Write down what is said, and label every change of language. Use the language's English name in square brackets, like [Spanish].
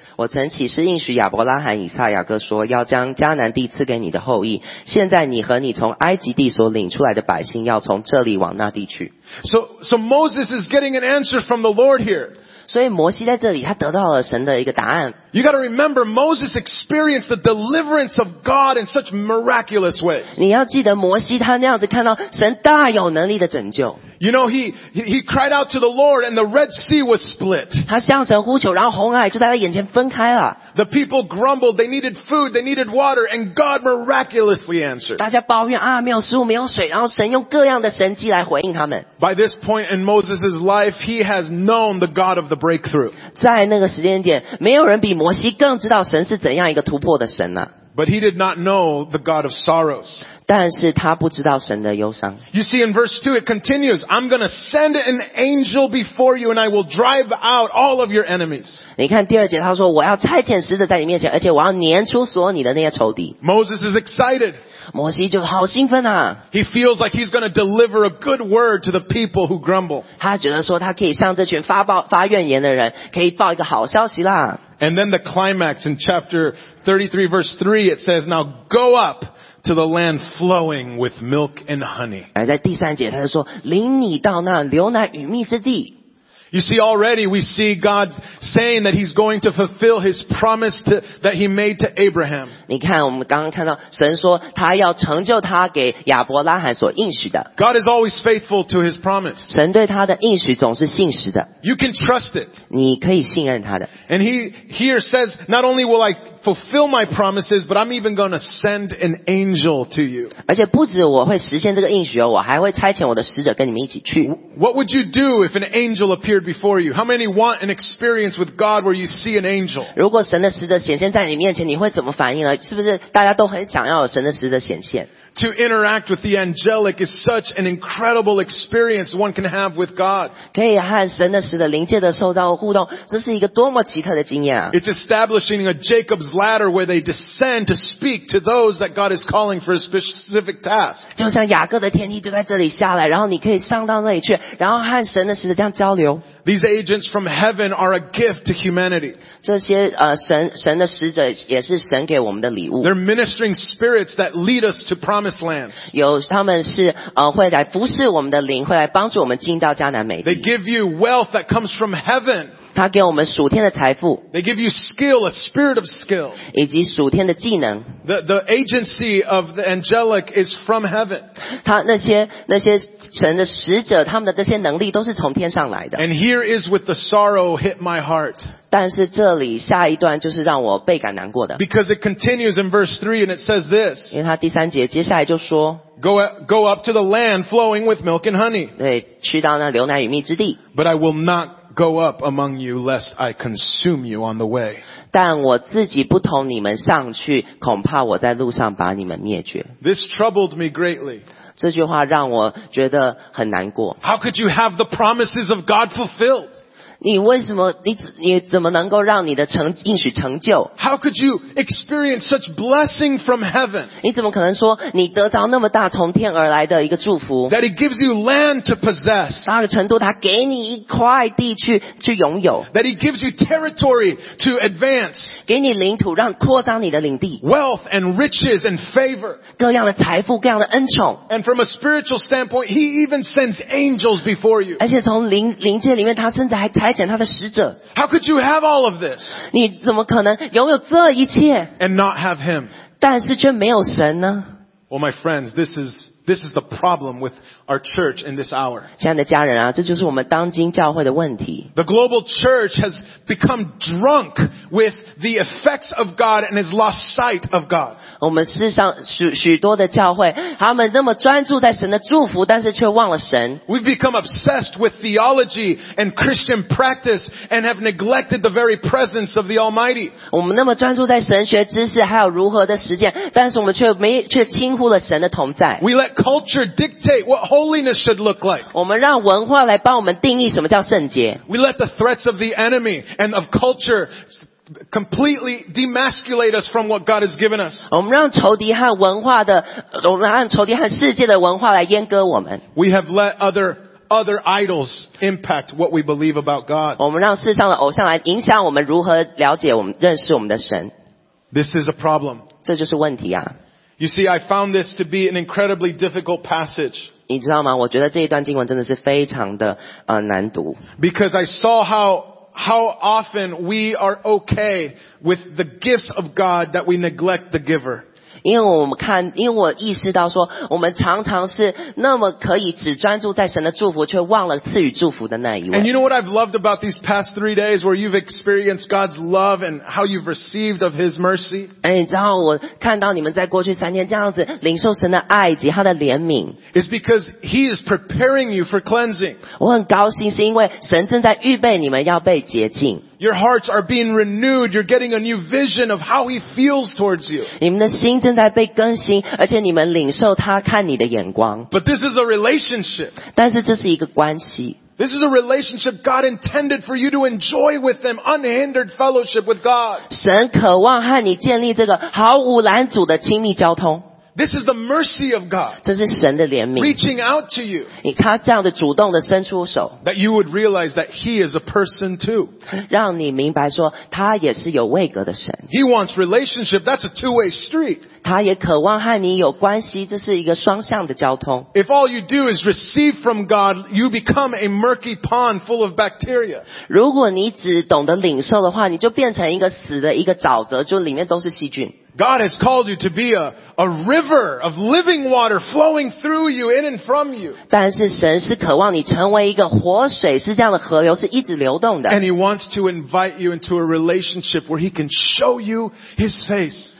[Chinese] 我曾起誓应许亚伯拉罕、以撒、雅各说，要将迦南地赐给你的后裔。现在你和你从埃及地所领出来的百姓，要从这里往那地去。 [English] So Moses is getting an answer from the Lord here. [Chinese] 所以摩西在这里，他得到了神的一个答案。 [English] You got to remember, Moses experienced the deliverance of God in such miraculous ways. [Chinese] 你要记得摩西他那样子看到神大有能力的拯救。 [English] You know, he cried out to the Lord and the Red Sea was split. [Chinese] 他向神呼求，然后红海就在他眼前分开了。 [English] The people grumbled, they needed food, they needed water, and God miraculously answered. [Chinese] 大家抱怨啊，没有食物，没有水，然后神用各样的神迹来回应他们。 [English] By this point in Moses' life, he has known the God of the breakthrough. [Chinese] 在那个时间点，没有人比摩西更知道神是怎样一个突破的神了。 [English] But he did not know the God of sorrows. [Chinese] 但是他不知道神的忧伤。 [English] You see in verse 2, it continues, I'm going to send an angel before you and I will drive out all of your enemies. [Chinese] 你看第二节他说我要差遣使者在你面前，而且我要撵出所有你的那些仇敌。 [English] Moses is excited. [Chinese] 摩西就好兴奋啊。 [English] He feels like he's going to deliver a good word to the people who grumble. [Chinese] 他觉得说他可以向这群发怨言的人可以报一个好消息啦。 [English] And then the climax in chapter 33 verse 3, it says, now go up to the land flowing with milk and honey. [Chinese] 而在第三节他就说领你到那流奶与蜜之地。 [English] You see, already we see God saying that He's going to fulfill His promise that He made to Abraham. [Chinese] 你看，我们刚刚看到神说他要成就他给亚伯拉罕所应许的。 [English] God is always faithful to His promise. [Chinese] 神对他的应许总是信实的。 [English] You can trust it. [Chinese] 你可以信任他的。 [English] And He here says, not only will I fulfill my promises, but I'm even going to send an angel to you. [Chinese] 而且不止我会实现这个应许哦，我还会差遣我的使者跟你们一起去。 [English] What would you do if an angel appeared? Before you, how many want an experience with God where you see an angel? [Chinese] 如果神的使者显现在你面前，你会怎么反应呢？是不是大家都很想要有神的使者显现？ [English] To interact with the angelic is such an incredible experience one can have with God. [Chinese] 可以和神的使者灵界的受到互动，这是一个多么奇特的经验啊！ [English] It's establishing a Jacob's ladder where they descend to speak to those that God is calling for a specific task. [Chinese] 就像雅各的天梯就在这里下来，然后你可以上到那里去，然后和神的使者这样交流。 [English] These agents from heaven are a gift to humanity. [Chinese] 这些神的使者也是神给我们的礼物。 [English] They're ministering spirits that lead us to promised lands. [Chinese] 有他们是会来服侍我们的灵，会来帮助我们进到迦南美地。 [English] They give you wealth that comes from heaven. [Chinese] 他给我们属天的财富。 [English] They give you skill, a spirit of skill. [Chinese] 以及属天的技能。 [English] The agency of the angelic is from heaven. [Chinese] 他那些神的使者，他们的这些能力都是从天上来的。 [English] And here is with the sorrow hit my heart. [Chinese] 但是这里下一段就是让我倍感难过的。 [English] Because it continues in verse 3 and it says this. [Chinese] 因为它第三节接下来就说 [English] Go up to the land flowing with milk and honey. [Chinese] 对，去到那牛奶与蜜之地。 [English] But I will not go up among you lest I consume you on the way. [Chinese] 但我自己不同你们上去，恐怕我在路上把你们灭绝。 [English] This troubled me greatly. [Chinese] 这句话让我觉得很难过。 [English] How could you have the promises of God fulfilled? [Chinese] 你为什么你怎么能够让你的应许成就 [English] ？How could you experience such blessing from heaven？ [Chinese] 你怎么可能说你得着那么大从天而来的一个祝福 [English] ？That it gives you land to possess。 [Chinese] 大的程度，他给你一块地去拥有。 [English] That it gives you territory to advance。 [Chinese] 给你领土，让扩张你的领地。 [English] Wealth and riches and favor。 [Chinese] 各样的财富，各样的恩宠。 [English] And from a spiritual standpoint, he even sends angels before you。 [Chinese] 而且从灵界里面，他甚至还差遣他的使者。 [English] How could you have all of this? [Chinese] 你怎么可能拥有这一切 [English] ？And not have him? [Chinese] 但是却没有神呢 [English] ？Well, my friends, this is the problem with our church in this hour. [Chinese] 亲爱的家人啊，这就是我们当今教会的问题。 [English] The global church has become drunk with the effects of God and has lost sight of God. [Chinese] 我们世上许多的教会，他们那么专注在神的祝福，但是却忘了神。 [English] We've become obsessed with theology and Christian practice and have neglected the very presence of the Almighty. [Chinese] 我们那么专注在神学知识还有如何的实践，但是我们却轻忽了神的同在。 [English] We let culture dictate what holiness should look like. [Chinese] 我们让文化来帮我们定义什么叫圣洁。 [English] We let the threats of the enemy and of culturecompletely demasculate us from what God has given us. [Chinese] 我们让仇敌和文化的，我们让仇敌和世界的文化来阉割我们。 [English] We have let other idols impact what we believe about God. [Chinese] 我们让世上的偶像来影响我们如何了解我们认识我们的神。 [English] This is a problem. [Chinese] 这就是问题啊。 [English] You see, I found this to be an incredibly difficult passage. [Chinese] 你知道吗？我觉得这一段经文真的是非常的难读。 [English] Because I saw how often we are okay with the gifts of God that we neglect the giver. [Chinese] 因为我意识到说，我们常常是那么可以只专注在神的祝福，却忘了赐予祝福的那一位。 [English] And you know what I've loved about these past 3 days where you've experienced God's love and how you've received of His mercy? [Chinese] 哎，你知道我看到你们在过去三天这样子领受神的爱以及他的怜悯。 [English] It's because He is preparing you for cleansing. [Chinese] 我很高兴是因为神正在预备你们要被洁净。 [English] Your hearts are being renewed. You're getting a new vision of how He feels towards you. [Chinese] 你们的心正在被更新，而且你们领受他看你的眼光。 [English] But this is a relationship. [Chinese] 但是这是一个关系。 [English] This is a relationship God intended for you to enjoy with them, unhindered fellowship with God. [Chinese] 神渴望和你建立这个毫无拦阻的亲密交通。 [English] This is the mercy of God. [Chinese] 这是神的怜悯。 [English] Reaching out to you. [Chinese] 他这样的主动的伸出手。 [English] That you would realize that He is a person too. [Chinese] 让你明白说他也是有位格的神。 [English] He wants relationship. That's a two-way street. [Chinese] 他也渴望和你有关系，这是一个双向的交通。 [English] If all you do is receive from God, you become a murky pond full of bacteria. [Chinese] 如果你只懂得领受的话，你就变成一个死的一个沼泽，就里面都是细菌。 [English] God has called you to be a river of living water flowing through you, in and from you. [Chinese] 但是神是渴望你成为一个活水，是这样的河流，是一直流动的。 [English] And He wants to invite you into a relationship where He can show you His face.